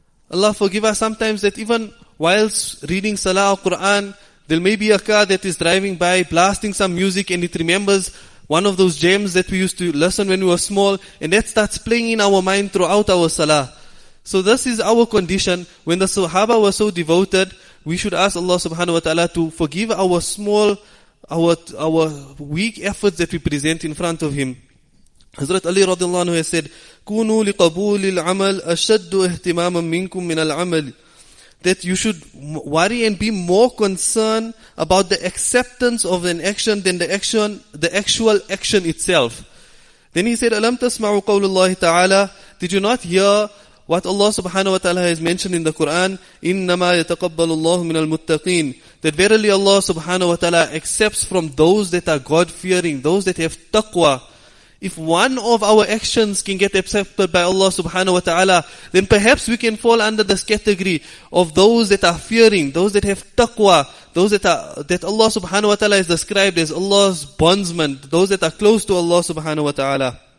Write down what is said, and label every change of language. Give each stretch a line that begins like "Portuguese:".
English: Allah forgive us sometimes that even whilst reading Salah or Quran, there may be a car that is driving by blasting some music and it remembers one of those gems that we used to listen when we were small, and that starts playing in our mind throughout our Salah. So this is our condition. When the Sahaba were so devoted, we should ask Allah subhanahu wa ta'ala to forgive our small, our weak efforts that we present in front of him. Hazrat Ali radiallahu anhu has said,
Arabic: كُونُوا لِقَبُولِ الْعَمَلِ أَشَدُّ اهْتِمَامًا مِنْكُمْ مِنَ الْعَمَلِ.
English: That you should worry and be more concerned about the acceptance of an action than the actual action itself. Then he said,
Arabic: أَلَمْ تَسْمَعُوا قَوْلُ اللَّهِ تَعَالَى.
English: Did you not hear what Allah subhanahu wa ta'ala has mentioned in the Quran?
Arabic: إِنَّمَا يَتَقَبَّلُ اللَّهُ مِنَ الْمُتَّقِينَ.
English: That verily Allah subhanahu wa ta'ala accepts from those that are God-fearing, those that have taqwa. If one of our actions can get accepted by Allah subhanahu wa ta'ala, then perhaps we can fall under this category of those that are fearing, those that have taqwa, those that Allah subhanahu wa ta'ala has described as Allah's bondsmen, those that are close to Allah subhanahu wa ta'ala.